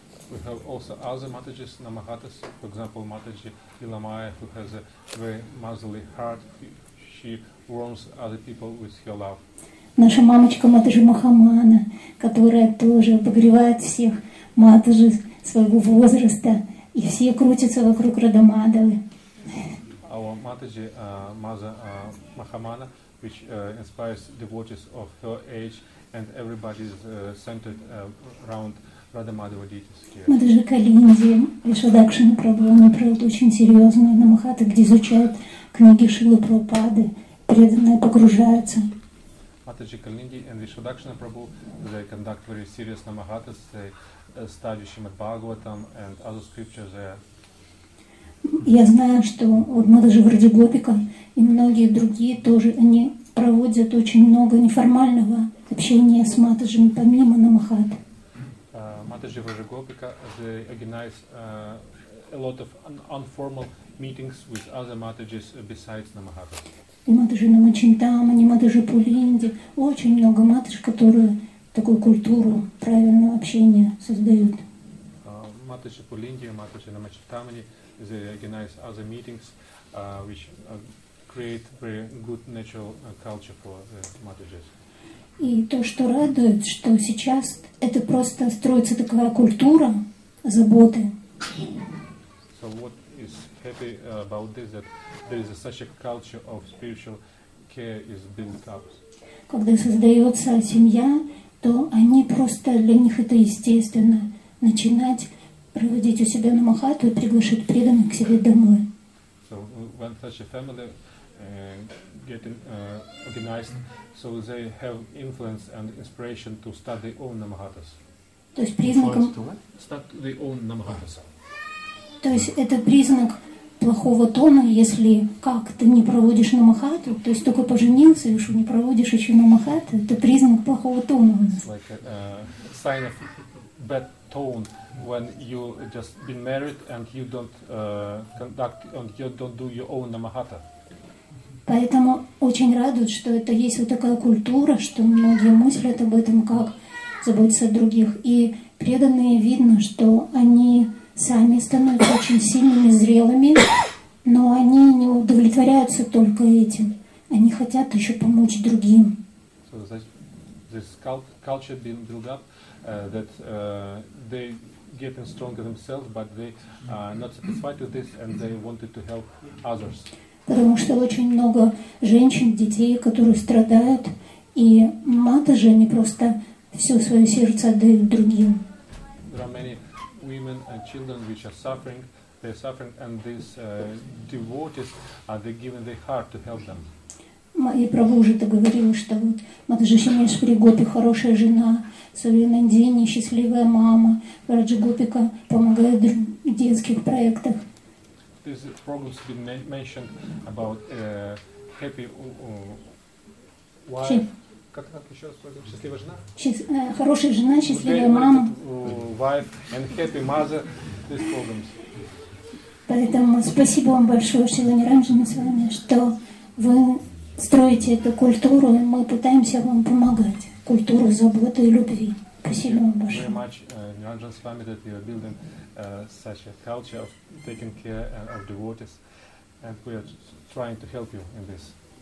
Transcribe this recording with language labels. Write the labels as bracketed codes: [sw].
[en] We have also other matajis, namahatas, for example, Mataji Ilamaya, who has a very motherly heart. She warms other people with her love. [ru] Наша мамочка Матаджи Махамана, которая тоже обогревает всех матаджи своего возраста, и все крутятся вокруг Радамадавы. [en] Our Mataji, Mother Mahamana, which inspires devotees of her age, and everybody is centered around Radha Madhava Ditya's care. [ru] Матаджи Калинди, Вишадакшина Прабху, они проводят очень серьезные намахаты, где изучают книги Шрилы Прабхупады, преданные погружаются. [en] Матаджи Калинди and Вишадакшина Прабху, they conduct very serious намахатas, they study Shrimad Bhagavatam and other scriptures there. [ru] Я знаю, что вот мы даже в Раде Гопика и многие другие тоже они проводят очень много неформального общения с матаджами помимо намахат. [en] Матаджи в Раде Гопика they organize a lot of informal meetings with other matajis besides намахата. [ru] И матаджи Намачинтама, и матаджи Пулинди, очень много матадж, которые такую культуру правильного общения создают. Матаджи Пулинди, матаджи Намачинтама. [en] They organize other meetings, which create very good natural culture for matajis. [ru] И то, что радует, что сейчас это просто строится такая культура заботы. [en] So what is happy about this that there is such a culture of spiritual care is built up. [ru] Когда создается семья, то они просто для них это естественно начинать. Проводить у себя намахату и приглашать преданных к себе домой. [en] So when such a family get organized, so they have influence and inspiration to start their own намахатас. [ru] То есть признак. [en] Start their own намахатас. [ru] То есть это признак плохого тона, если как ты не проводишь намахату, то есть только поженился и что не проводишь еще намахату, это признак плохого тона. [en] Like a sign of bad tone. When you just been married and you don't conduct and you don't do your own namahata. [ru] Поэтому очень радует, что это есть вот такая культура, что многие мыслят об этом, как заботиться о других. И преданные видно, что они сами становятся очень сильными, зрелыми, но они не удовлетворяются только этим. Они хотят еще помочь другим. [en] So this culture being built up that they getting stronger themselves, but they are not satisfied with this, and they wanted to help others. [ru] Потому что очень много женщин, детей, которые страдают, и матаджи они просто все свое сердце отдают другим. [en] There are many women and children which are suffering. They're suffering, and these devotees are they giving their heart to help them. [ru] И Прабху уже это говорил, что вот матаджи Шимешпри Гопи хорошая жена, Савинандини счастливая мама, Раджа Гопика помогает в детских проектах. [en] This program's been mentioned about happy wife. [ru] Как еще раз говорим? Счастливая жена? Хорошая жена, счастливая мама. [en] Wife and happy mother, these programs. [ru] Поэтому спасибо вам большое, Шрила Ниранджана, с вами, что вы строите эту культуру, и мы пытаемся вам помогать. Культуру заботы и любви. [en] very much, Niranjan Swami, that you are building such a culture of taking care of devotees, and we are trying to help you in this.